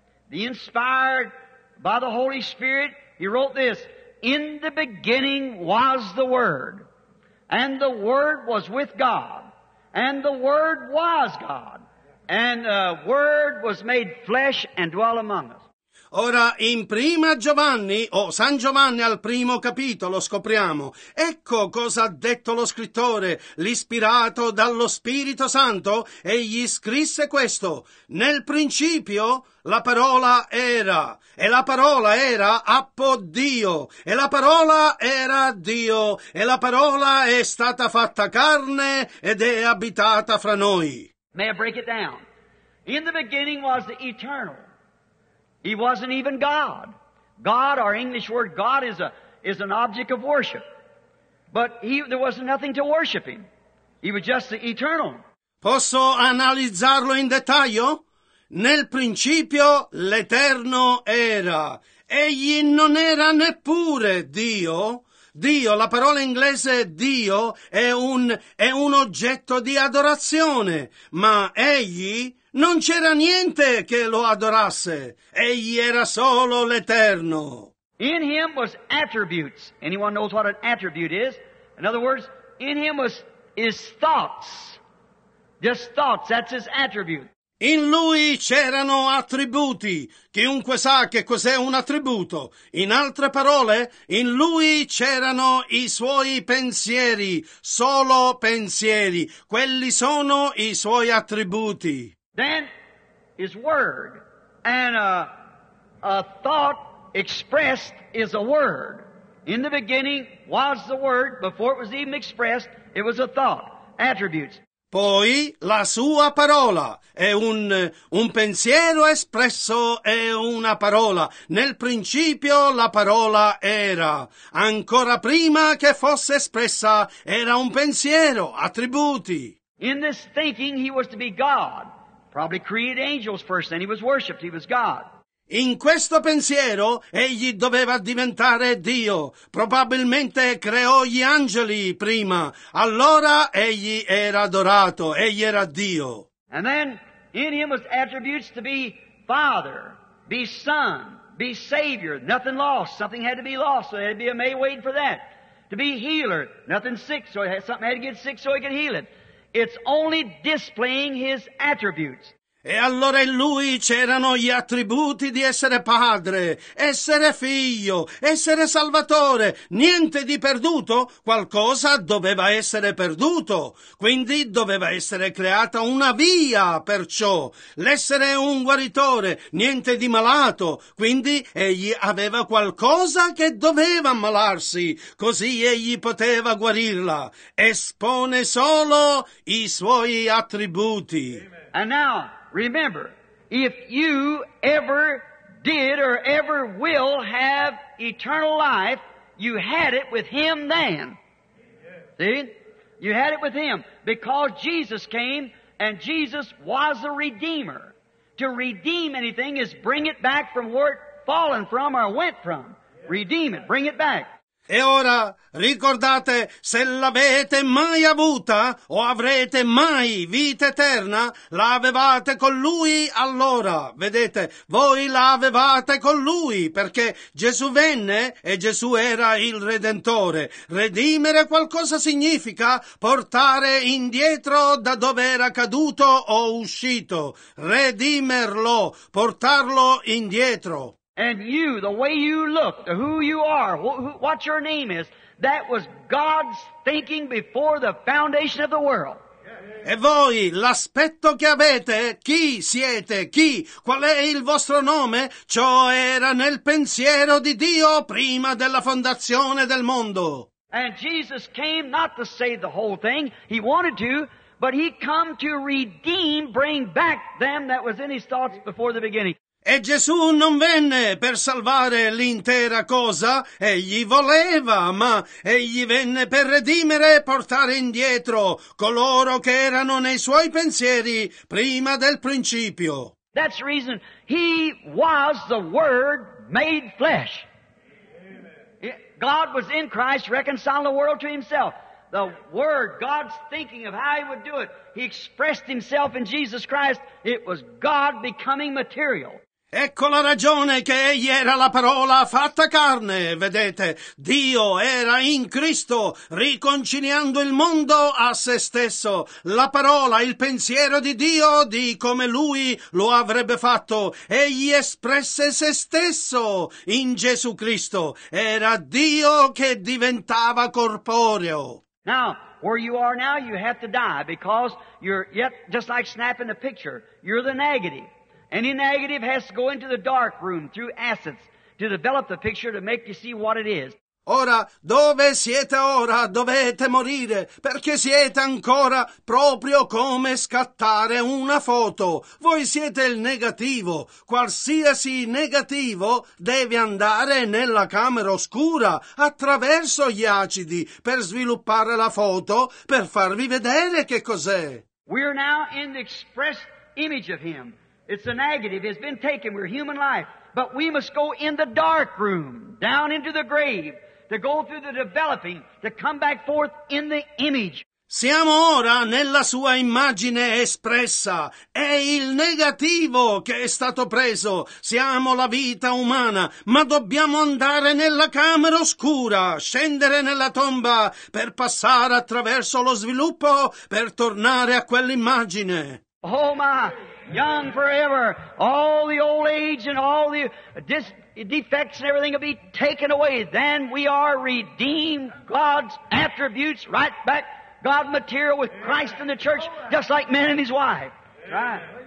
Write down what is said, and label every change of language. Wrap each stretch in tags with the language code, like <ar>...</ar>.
<en>The inspired by the Holy Spirit, he wrote this, in the beginning was the Word, and the Word was with God, and the Word was God, and the Word was made flesh and dwell among us.</en> <it>Ora, in prima Giovanni, o San Giovanni al primo capitolo, scopriamo. Ecco cosa ha detto lo scrittore, l'ispirato dallo Spirito Santo, egli scrisse questo. Nel principio la parola era, e la parola era appo Dio, e la parola era Dio, e la parola è stata fatta carne ed è abitata fra noi.</it> <en>May I break it down? In the beginning was the eternal. He wasn't even God. God, our English word God, is an object of worship. But there was nothing to worship him. He was just the eternal.</en> <it>Posso analizzarlo in dettaglio? Nel principio l'Eterno era. Egli non era neppure Dio. Dio, la parola inglese Dio, è un oggetto di adorazione. Ma egli... non c'era niente che lo adorasse. Egli era solo l'Eterno.</it> <en>In him was attributes. Anyone knows what an attribute is? In other words, in him was his thoughts. Just thoughts, that's his attribute.</en> <it>In lui c'erano attributi. Chiunque sa che cos'è un attributo. In altre parole, in lui c'erano i suoi pensieri. Solo pensieri. Quelli sono i suoi attributi.</it> <en>Then his word, and a thought expressed is a word. In the beginning was the word, before it was even expressed, it was a thought, attributes.</en> <it>Poi la sua parola è un pensiero espresso è una parola. Nel principio la parola era. Ancora prima che fosse espressa era un pensiero, attributi.</it> <en>In this thinking he was to be God. Probably created angels first, then he was worshipped, he was God.</en> <it>In questo pensiero, egli doveva diventare Dio. Probabilmente creò gli angeli prima. Allora egli era adorato, egli era Dio.</it> <en>And then, in him was attributes to be Father, be Son, be Savior. Nothing lost, something had to be lost, so there had to be a made way for that. To be Healer, nothing sick, so something had to get sick so he could heal it. It's only displaying his attributes.</en> <it>E allora in lui c'erano gli attributi di essere padre, essere figlio, essere salvatore. Niente di perduto, qualcosa doveva essere perduto. Quindi doveva essere creata una via per ciò. L'essere un guaritore, niente di malato. Quindi egli aveva qualcosa che doveva ammalarsi, così egli poteva guarirla. Espone solo i suoi attributi.</it> <en>And now... remember, if you ever did or ever will have eternal life, you had it with him then. See? You had it with him because Jesus came and Jesus was a redeemer. To redeem anything is bring it back from where it fallen from or went from. Redeem it. Bring it back.</en> <it>E ora ricordate, se l'avete mai avuta o avrete mai vita eterna, l'avevate con Lui allora. Vedete, voi l'avevate con Lui perché Gesù venne e Gesù era il Redentore. Redimere qualcosa significa portare indietro da dove era caduto o uscito. Redimerlo, portarlo indietro.</it> <en>And you, the way you look, who you are, what your name is, that was God's thinking before the foundation of the world.</en> <it>E voi, l'aspetto che avete, chi siete, chi, qual è il vostro nome, ciò era nel pensiero di Dio prima della fondazione del mondo.</it> <en>And Jesus came not to save the whole thing, he wanted to, but he come to redeem, bring back them that was in his thoughts before the beginning.</en> <it>E Gesù non venne per salvare l'intera cosa, egli voleva, ma egli venne per redimere e portare indietro coloro che erano nei suoi pensieri prima del principio.</it> <en>That's the reason he was the Word made flesh. God was in Christ reconciling the world to himself. The Word, God's thinking of how he would do it. He expressed himself in Jesus Christ. It was God becoming material.</en> <it>Ecco la ragione che egli era la parola fatta carne, vedete, Dio era in Cristo, riconciliando il mondo a se stesso, la parola, il pensiero di Dio di come Lui lo avrebbe fatto, egli espresse se stesso in Gesù Cristo, era Dio che diventava corporeo.</it> <en>Now, where you are now, you have to die, because you're yet, just like snapping the picture, you're the negative. Any negative has to go into the dark room through acids to develop the picture to make you see what it is.</en> <it>Ora, dove siete ora, dovete morire, perché siete ancora proprio come scattare una foto. Voi siete il negativo. Qualsiasi negativo deve andare nella camera oscura attraverso gli acidi per sviluppare la foto, per farvi vedere che cos'è.</it> <en>We are now in the express image of him. It's a negative. It's been taken. We're human life. But we must go in the dark room, down into the grave, to go through the developing, to come back forth in the image.</en> <it>Siamo ora nella sua immagine espressa. È il negativo che è stato preso. Siamo la vita umana, ma dobbiamo andare nella camera oscura, scendere nella tomba per passare attraverso lo sviluppo, per tornare a quell'immagine.</it> <en>Oh, my... Young forever, all the old age and all the defects and everything will be taken away. Then we are redeemed, God's attributes, right back, God material with Christ and the church, just like man and his wife. Right.</en>